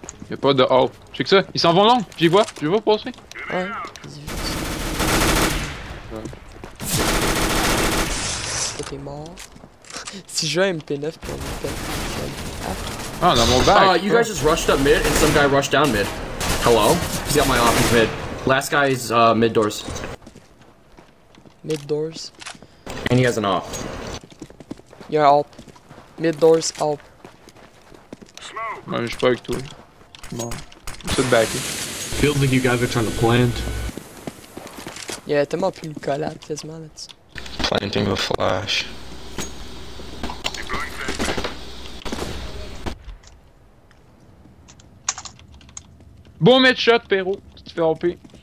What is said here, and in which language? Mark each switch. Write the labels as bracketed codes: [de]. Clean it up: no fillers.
[fr] Y'a pas de AWP. Tu sais que ça, ils s'en vont long. J'y vois. J'y vois passer. Ouais. Vas-y, vas-y. Ouais. T'es mort. Si je joue à MP9, puis on est ah, dans mon bag. [en] You guys just rushed up mid, and some guy rushed down mid. Hello? He's got my AWP mid. Last guy is mid doors. Mid doors. And he has an AWP. [fr] Y'a un AWP. Mid doors, AWP. Man, je suis pas avec toi. [en] Come on. Sit back. Feels like you guys are trying to plant. [fr] Y'a tellement plus de collab quasiment là-dessus. [en] Planting a flash. Boom headshot, [fr] Perro. Tu te fais hopper.